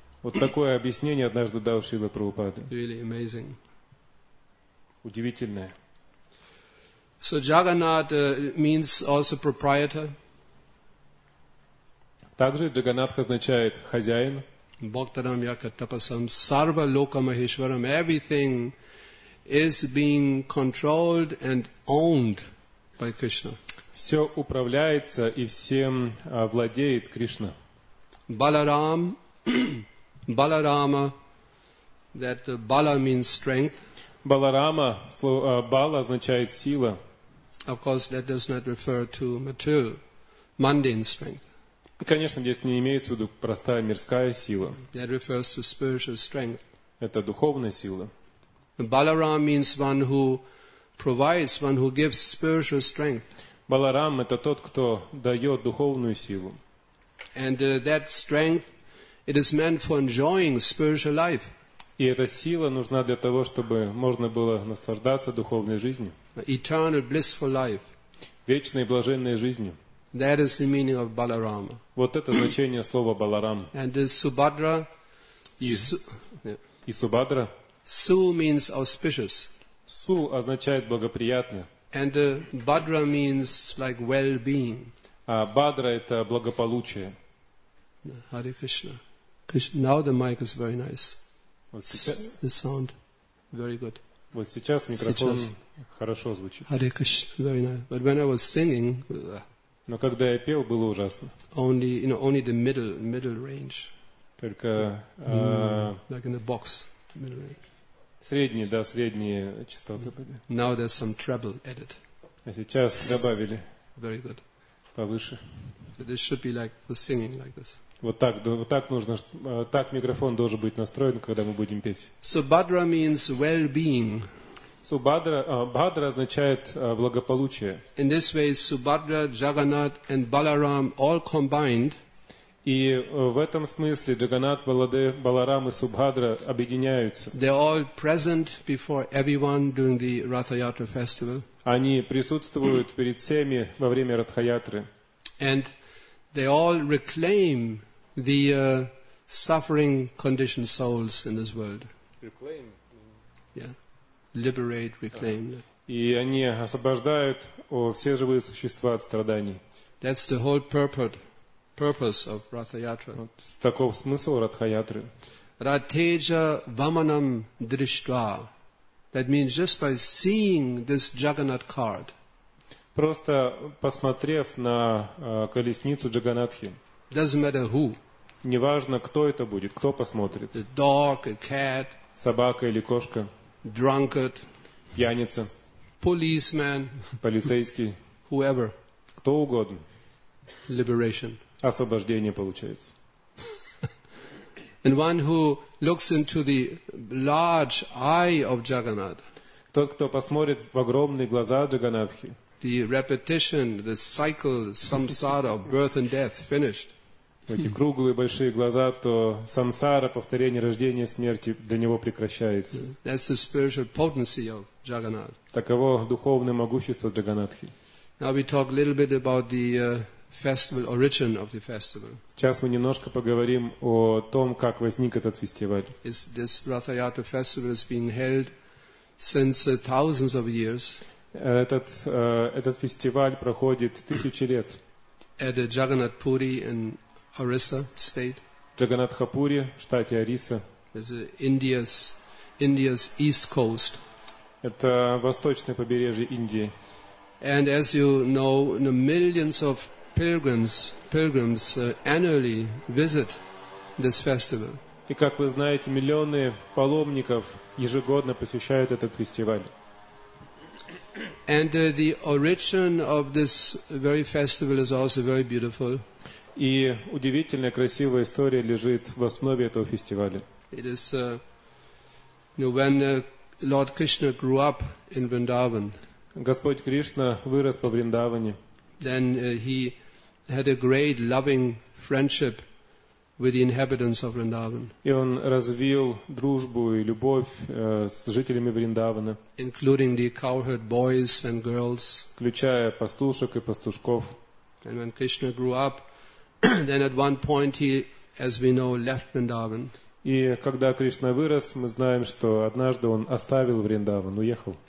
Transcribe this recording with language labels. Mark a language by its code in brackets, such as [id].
[ru] Вот такое объяснение однажды дал Шрила Прабхупада. [en] Really amazing. [ru] Удивительное. [en] So Jagannath means also proprietor. [ru] Также Джаганнатх означает хозяин. [sa] Бхактарам якатапасам сарва лока махешварам. [en] Everything is being controlled and owned by Krishna. [ru] Все управляется и всем владеет Кришна. [en] Баларам, Баларама, that Bala means strength. [ru] Баларама, Бала означает сила. [en] Of course, that does not refer to material, mundane strength. [ru] Конечно, здесь не имеется в виду простая мирская сила. [en] That refers to spiritual strength. [ru] Это духовная сила. [en] Balaram means one who provides, one who gives spiritual strength. [ru] Баларам – это тот, кто дает духовную силу. [en] And that strength, it is meant for enjoying spiritual life. [ru] И эта сила нужна для того, чтобы можно было наслаждаться духовной жизнью. [en] Eternal blissful life. [ru] Вечной блаженной жизнью. [en] That is the meaning of Balarama. [ru] Вот это значение слова Баларам. [en] And the Субхадра. [ru] И Субхадра. [en] Су means auspicious. [ru] Су означает благоприятно. [en] And Бадра means like well-being. [ru] А Бадра это благополучие. [en] Hare Krishna. Krishna. Now the mic is very nice. [ru] Вот сейчас. [en] The sound very good. [ru] Вот сейчас микрофон хорошо звучит. [en] Hare Krishna. Very nice. But when I was singing. [ru] Но когда я пел, было ужасно. [en] Only, you know, only the middle range. [ru] Только [en] like in the box. [ru] Средние, да, средние частоты были. [en] Now there's some treble added. [ru] А сейчас добавили. [en] Very good. [ru] Повыше. [en] So this should be like for singing like this. [ru] Вот так, да, вот так нужно, так микрофон должен быть настроен, когда мы будем петь. [en] So Bhadra means well-being. [ru] Субхадра означает благополучие. [en] In this way, Subhadra, Jagannath and Balaram all combined. [ru] И в этом смысле Джаганнат, Баларам и Субхадра объединяются. [en] They all present before everyone during the Ratha Yatra festival. [ru] Они присутствуют перед всеми во время Ратха-Ятры. [en] And they all reclaim the suffering conditioned souls in this world. Reclaim. Yeah. Liberate, reclaim. [ru] И они освобождают все живые существа от страданий. [en] That's the whole purpose of Ratha Yatra. [ru] Таков смысл Ратха-Ятры. [sa] Ратхеджа ваманам дриштва. [en] That means just by seeing this Jagannath cart. [ru] Просто посмотрев на колесницу Джаганатхи. [en] Doesn't matter who. [ru] Неважно, кто это будет, кто посмотрит. [en] A dog, a cat. [ru] Собака или кошка. [en] Drunkard. [ru] Пьяница. [en] Policeman. [ru] Полицейский. [en] Whoever. [ru] Кто угодно. [en] Liberation. [ru] Освобождение получается. [en] And one who looks into the large eye of Jagannath. [ru] Тот, кто посмотрит в огромные глаза Джаганатхи. [en] The repetition, the cycle, samsara of birth and death finished. [ru] Эти круглые большие глаза, то самсара, повторение рождения и смерти для него прекращается. [en] That's the spiritual potency of Jagannath. [ru] Таково духовное могущество Джаганатхи. [en] Now we talk a little bit about the festival, origin of the festival. [ru] Сейчас мы немножко поговорим о том, как возник этот фестиваль. [en] This Ratha Yatra festival has been held since thousands of years. [ru] Этот фестиваль проходит тысячи лет. [en] At the Jagannath Puri in Orissa state. [ru] Джаганатхапури, штате Ориса. [en] This is India's east coast. [ru] Это восточное побережье Индии. [en] And as you know, the millions of pilgrims annually visit this festival. [ru] И как вы знаете, миллионы паломников ежегодно посещают этот фестиваль. [en] And the origin of this very festival is also very beautiful. [ru] И удивительная красивая история лежит в основе этого фестиваля. [en] It is when Lord Krishna grew up in Vrindavan. [ru] Господь Кришна вырос во Вриндаване. [en] Then he had a great loving friendship with the inhabitants of Vrindavan. [ru] И он развил дружбу и любовь с жителями Вриндавана. [en] Including the cowherd boys and girls. [ru] Включая пастушек и пастушков. [en] And when Krishna grew up, then at one point he, as we know, left Vrindavan. [ru] И когда Кришна вырос, мы знаем, что однажды он оставил Вриндаван, уехал.